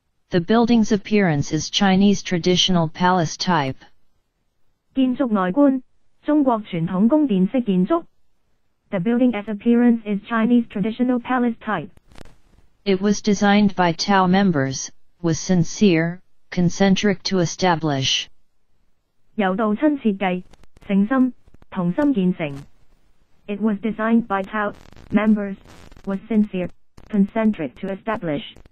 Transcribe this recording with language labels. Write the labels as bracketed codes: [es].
[en] The building's appearance is Chinese traditional palace type. [zh] 建築內觀中國傳統宮殿式建築。 [en] The building as appearance is Chinese traditional palace type. It was designed by Tao members, was sincere, concentric to establish. [zh] 由道親設計,誠心,同心建成。 [en] It was designed by Tao members, was sincere, concentric to establish.